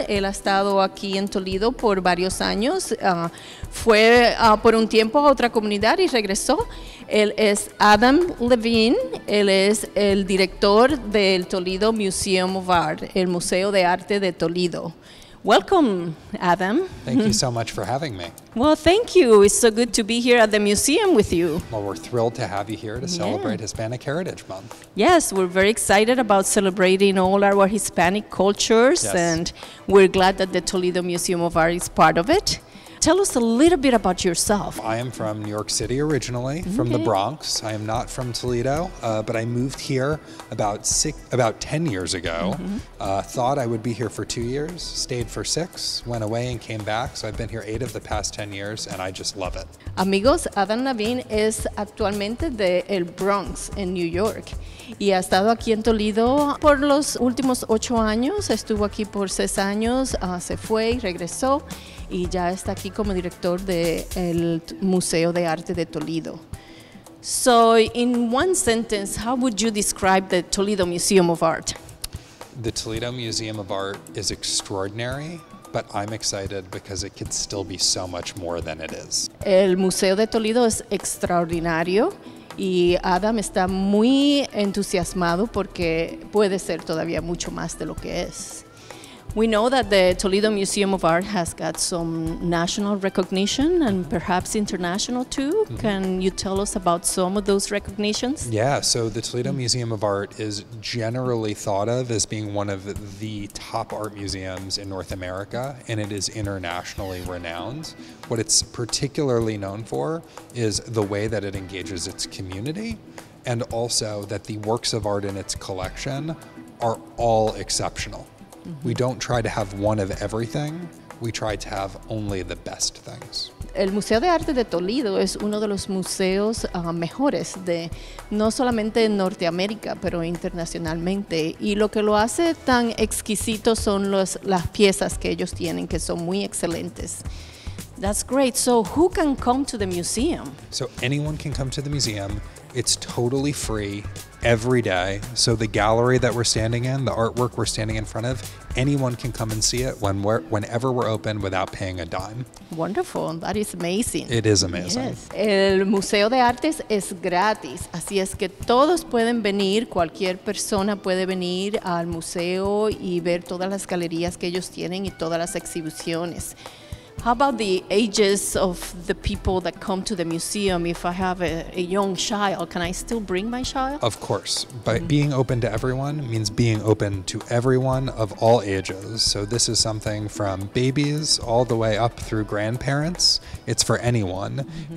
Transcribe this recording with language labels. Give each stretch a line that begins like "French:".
Spanish: Él ha estado aquí en Toledo por varios años. Fue por un tiempo a otra comunidad y regresó. Él es Adam Levine. Él es el director del Toledo Museum of Art, el Museo de Arte de Toledo.
English: Welcome, Adam. Thank you so much for having me. Well, thank you. It's so good to be here at the museum with you. Well, we're thrilled to have you here to celebrate Hispanic Heritage Month. Yes, we're very excited about celebrating all our Hispanic cultures, and we're glad that the Toledo Museum of Art is part of it. Tell us a little bit about yourself. I am from New York City originally, from the Bronx. I am not from Toledo, but I moved here about 10 years ago. Thought I would be here for 2 years, stayed for 6, went away and came back. So I've been here 8 of the past 10 years, and I just love it.
Spanish: Amigos, Adam Levine es actualmente de El Bronx en New York. Y ha estado aquí en Toledo por los últimos 8 años. Estuvo aquí por 6 años, se fue y regresó. Y ya está aquí como director del Museo de Arte de Toledo.
English: So, in one sentence, how would you describe the Toledo Museum of Art? The Toledo Museum of Art is extraordinary, but I'm excited because it could still be so much more than it is.
Spanish: El Museo de Toledo es extraordinario y Adam está muy entusiasmado porque puede ser todavía mucho más de lo que es.
English: We know that the Toledo Museum of Art has got some national recognition and perhaps international too. Mm-hmm. Can you tell us about some of those recognitions? Yeah, so the Toledo Museum of Art is generally thought of as being one of the top art museums in North America, and it is internationally renowned. What it's particularly known for is the way that it engages its community, and also that the works of art in its collection are all exceptional. We don't try to have one of everything, we try to have only the best things.
Spanish: El Museo de Arte de Toledo es uno de los museos mejores de no solamente en Norteamérica, pero internacionalmente. Y lo que lo hace tan exquisito son las piezas que ellos tienen, que son muy excelentes.
English: That's great. So who can come to the museum? So anyone can come to the museum. It's totally free every day. So the gallery that we're standing in, the artwork we're standing in front of, anyone can come and see it whenever we're open without paying a dime. Wonderful. That is amazing. It is amazing.
Spanish: Yes. El Museo de Artes es gratis. Así es que todos pueden venir, cualquier persona puede venir al museo y ver todas las galerías que ellos tienen y todas las exhibiciones.
English: How about the ages of the people that come to the museum? If I have a young child, can I still bring my child? Of course, but being open to everyone means being open to everyone of all ages. So this is something from babies all the way up through grandparents. It's for anyone. Mm-hmm.